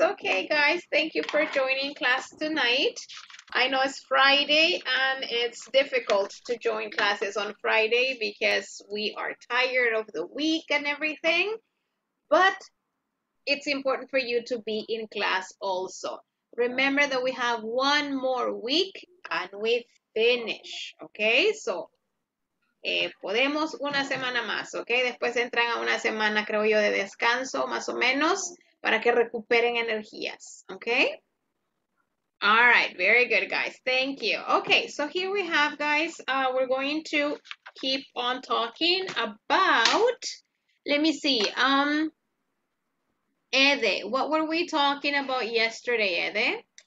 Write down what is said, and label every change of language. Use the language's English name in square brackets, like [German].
[English] Okay, guys, thank you for joining class tonight. I know it's Friday and it's difficult to join classes on Friday because we are tired of the week and everything, but it's important for you to be in class also. Remember that we have one more week and we finish, okay? [Spanish] So, podemos una semana más, okay? Después entran a una semana, creo yo, de descanso, más o menos, para que recuperen energías, okay? [English] All right, very good, guys. Thank you. Okay, so here we have, guys, we're going to keep on talking about, let me see, Ede, what were we talking about yesterday, Ede?